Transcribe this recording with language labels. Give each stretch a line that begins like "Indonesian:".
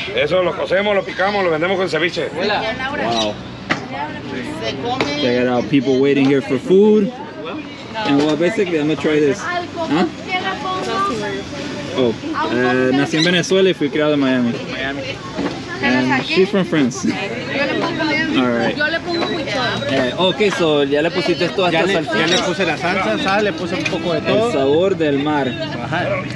Spanish: Eso lo cocemos, lo picamos, lo vendemos con ceviche. Wow.
English: Check it out, people waiting here for food. And well, basically, I'm going to try this. Huh?
Spanish: Oh, nací en Venezuela y fui criado en Miami. Miami.
English: And she's from France.
Spanish: Alright. Yo le pongo mucho. Okay, so ya le pusiste esto hasta salsa. Ya le puse la salsa, sal, le puse un poco de todo. El sabor del mar. Ajá.